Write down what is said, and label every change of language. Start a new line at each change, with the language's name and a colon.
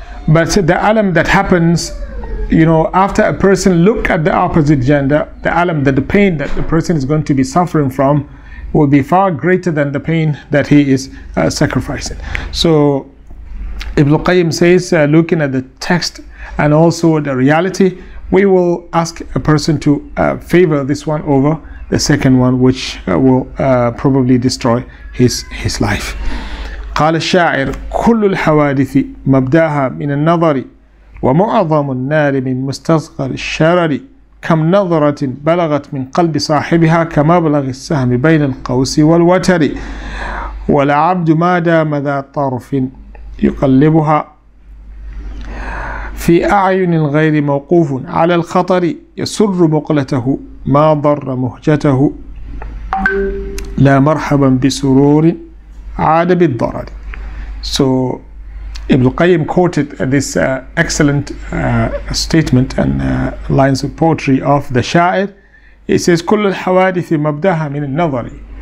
English: But the alam that happens, you know, after a person look at the opposite gender, the alam, that the pain that the person is going to be suffering from will be far greater than the pain that he is sacrificing. So Ibn Al Qayyim says, looking at the text and also the reality, we will ask a person to favor this one over the second one, which will probably destroy his life.
Arabic: قال الشاعر كل الحوادث مبداها من النظر ومعظم النار من مستصغر الشرر كم نظرة بلغت من قلب صاحبها كما بلغ السهم بين القوس والوتر والعبد ما دام ذا طرف يقلبها في أعين غير موقوف على الخطر يسر مقلته ما ضر مهجته لا مرحبا بسرور عاد بالضرر.
English: So Ibn Qayyim quoted this excellent statement and lines of poetry of the Sha'ir. He says,
Arabic: كل الحوادث مبداها من النظر.